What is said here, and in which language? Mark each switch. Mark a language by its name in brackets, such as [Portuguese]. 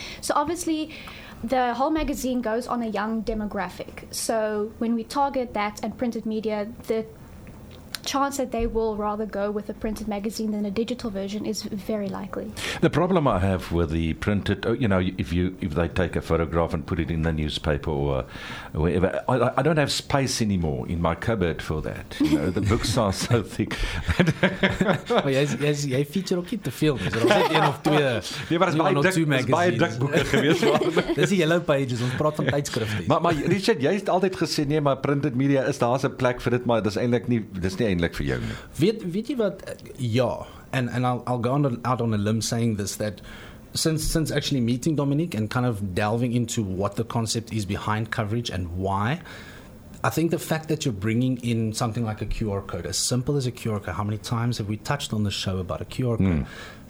[English] So obviously the whole magazine goes on a young demographic, so when we target that and printed media, the chance that they will rather go with a printed magazine than a digital version is very likely. The problem I have with the printed, you know, if they take a photograph and put it in the newspaper or wherever, I don't have space anymore in my cupboard for that. You know, the books are so thick. [Afrikaans] Jy feature ook nie te veel, is dit een of twee? Nee, maar is baie dik boeke gewees. Dis die yellow pages, ons praat van tydskrifte. Maar Richard, jy het altyd gesê, nee, maar printed media is daar 'n plek vir dit, maar dis eintlik nie, dis nie eindelijk vir jou. Weet jy wat, ja, [English] and I'll go out on a limb saying this, that since actually meeting Dominique and kind of delving into what the concept is behind coverage and why, I think the fact that you're bringing in something like a QR code, as simple as a QR code, how many times have we touched on the show about a QR code? Mm.